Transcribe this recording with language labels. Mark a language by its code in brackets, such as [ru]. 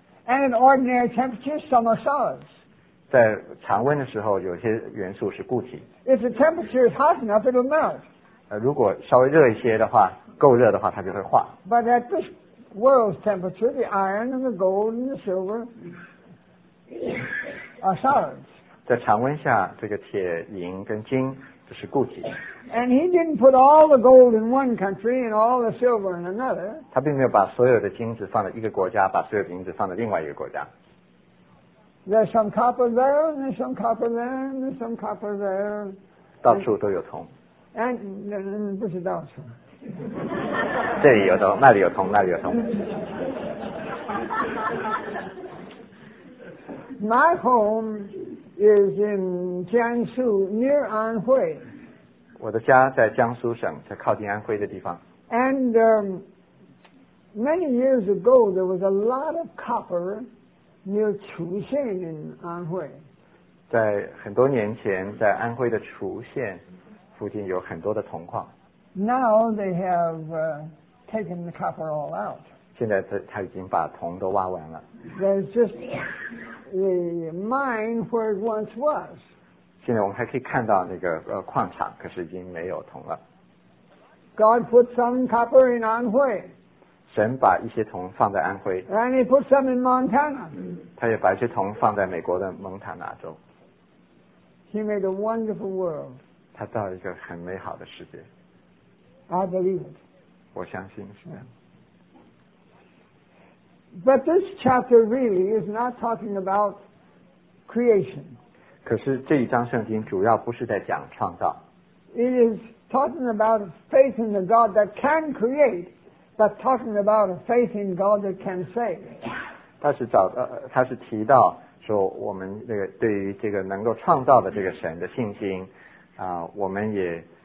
[en] And at ordinary temperatures, some are solids. [zh] 在常温的时候，有些元素是固体。 [en] If the temperature is hot enough, it'll melt. [zh] 如果稍微热一些的话。够热的话它就会化。 [en] But at this world's temperature, the iron and the gold and the silver are solids. [zh] 在常温下这个铁银跟金这是固体。 [en] And he didn't put all the gold in one country and all the silver in another. [zh] 他并没有把所有的金子放在一个国家把所有的银子放在另外一个国家。 [en] There's some copper there, and there's some copper there, and there's some copper there. [zh] 到处都有铜。 And 不是到处。这里有铜，那里有铜，那里有铜。 [en] My home is in Jiangsu near Anhui. [zh] 我的家在江苏省，在靠近安徽的地方。 [en] And many years ago, there was a lot of copper near Chuxian in Anhui. [zh] 在很多年前，在安徽的滁县附近有很多的铜矿。 [en] Now they have taken the copper all out. [zh] 现在他已经把铜都挖完了。 [en] There's just the mine where it once was. [zh] 现在我们还可以看到那个矿场，可是已经没有铜了。 [en] God put some copper in Anhui. [zh] 神把一些铜放在安徽。 [en] And he put some in Montana. [zh] 他也把一些铜放在美国的蒙塔纳州。 [en] He made a wonderful world. [zh] 他造了一个很美好的世界。 [en] I believe it. [zh] 我相信是。 [en] But this chapter really is not talking about creation. [zh] 可是这一章圣经主要不是在讲创造。 [en] It is talking about faith in the God that can create, but talking about a faith in God that can save. [zh] 它是提到说我们这个对于这个能够创造的这个神的信心啊，我们也。